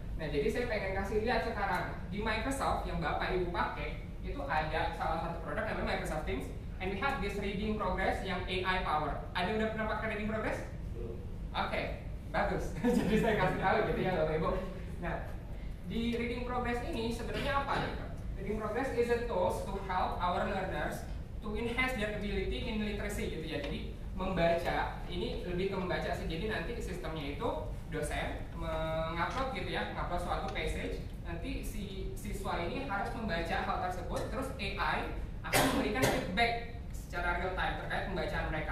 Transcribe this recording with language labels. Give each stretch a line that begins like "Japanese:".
Indonesian: Nah, jadi saya pengen kasih lihat sekarang di Microsoft yang Bapak Ibu pakai itu ada salah satu produk namanya Microsoft Teams,
English: and we have this reading progress
Indonesian: yang AI power. Ada yang udah pernah pakai reading progress? Oke, okay. Bagus. Jadi saya kasih tahu gitu ya Bapak Ibu. Nah, di reading progress ini sebenarnya apa gitu?
English: Reading progress is a tools to help our learners to enhance their ability in literacy gitu ya.
Indonesian: Jadi membaca ini lebih ke membaca sih. Jadi nanti sistemnya itu dosen mengupload gitu ya, mengupload suatu passage, nanti si siswa ini harus membaca hal tersebut, terus AI akan memberikan feedback secara real time terkait pembacaan mereka.